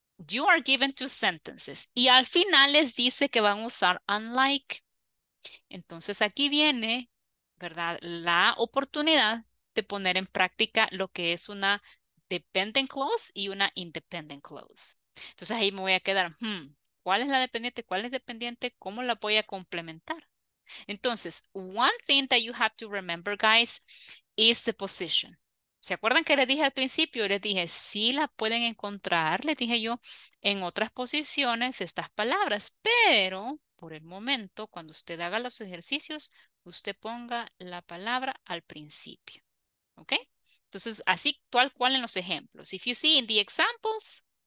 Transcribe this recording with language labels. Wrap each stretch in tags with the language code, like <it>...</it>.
<en>You are given two sentences.</en> <es>Y al final les dice que van a usar unlike. Entonces aquí viene, ¿verdad? La oportunidad de poner en práctica lo que es una dependent clause y una independent clause. Entonces ahí me voy a quedar, ¿cuál es la dependiente? ¿Cuál es dependiente? ¿Cómo la voy a complementar?</es> <en>Entonces, one thing that you have to remember, guys, is the position.</en> <es>¿Se acuerdan que les dije al principio? Les dije, sí la pueden encontrar, les dije yo, en otras posiciones estas palabras. Pero, por el momento, cuando usted haga los ejercicios, usted ponga la palabra al principio. ¿Ok? Entonces, así tal cual en los ejemplos.</es> <en>If you see in the examples.</en>